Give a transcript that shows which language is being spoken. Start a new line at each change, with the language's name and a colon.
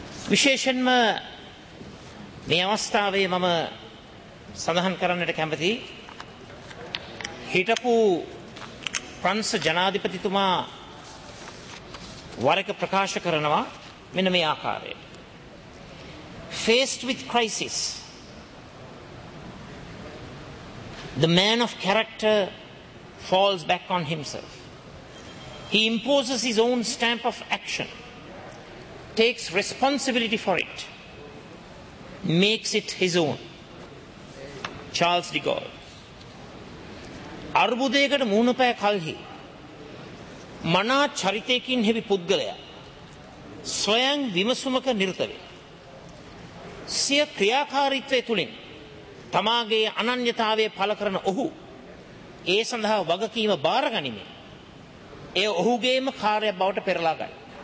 Sinhala: විශේෂයෙන්ම මේ අවස්ථාවේ මම සඳහන් කරන්නට කැමති හිටපු ප්‍රංශ ජනාධිපතිතුමා වරක ප්‍රකාශ කරනවා මෙන්න මේ ආකාරයට.
English: Faced with crisis, the man of character falls back on himself. He imposes his own stamp of action, takes responsibility for it, makes it his own. Charles de Gaulle.
Sinhala: අර්බුදයකට මූණ පෑ කල්හි මනා චරිතයකින් හෙවි පුද්ගලයා ස්වයං විමසුමක නිරත වේ. සිය ක්‍රියාකාරීත්වය තුළින් තමාගේ අනන්‍යතාවය පළ කරන ඔහු ඒ සඳහා වගකීම බාර ගනිමින් එය ඔහුගේම කාර්යයක් බවට පෙරලා ගනී.